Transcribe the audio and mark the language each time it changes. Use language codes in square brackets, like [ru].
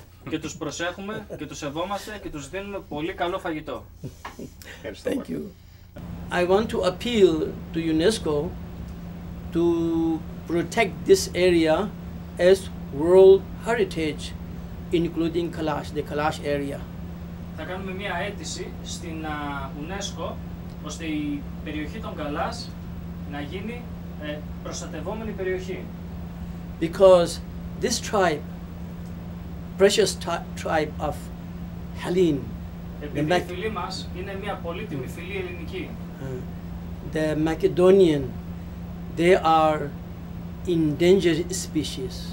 [el] Και τους προσέχουμε και τους σεβόμαστε και τους δίνουμε πολύ καλό φαγητό. [en] Thank you. I want to appeal to UNESCO to protect this area as World Heritage, including Kalash, the Kalash area. [el] Θα κάνουμε μια αίτηση στην UNESCO ώστε η περιοχή των Kalash να γίνει προστατευόμενη περιοχή. [en] Because this tribe, precious tribe of Hellene, [el] επειδή η φυλή μας είναι μια πολύτιμη φυλή ελληνική. [en] The Macedonian, they are endangered species.